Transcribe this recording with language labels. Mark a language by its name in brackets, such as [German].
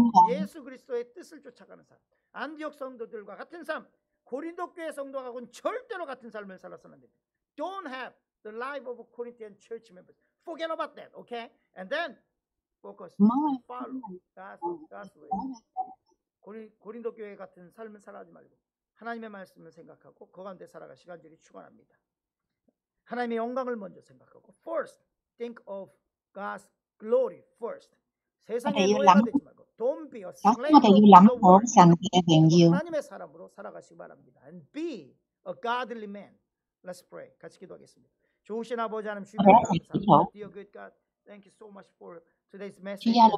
[Korean] 예수 그리스도의 뜻을 쫓아가는 삶, 안디옥 성도들과 같은 삶, 고린도 교회 성도하고는 절대로 같은 삶을 살았으면 안 됩니다. [English] Don't have the life of a Corinthian church members. Forget about that, okay? And then focus, follow God's way. [Korean] 고린도 교회 같은 삶을 살아가지 말고 하나님의 말씀을 생각하고 그 가운데 살아가 시간들이 충원합니다. 하나님의 영광을 먼저 생각하고 [English] first. Think of God's glory first. [Korean] 세상에 노예가 되지 말고 [English] Don't be a slave. [Korean] 하나님의 사람으로 살아가시기 바랍니다. [English] And be a godly man. Let's pray. [Korean] 같이 기도하겠습니다. 좋으신 아버지 하나님 주님 감사합니다. [English] Dear good God, thank you so much for today's message.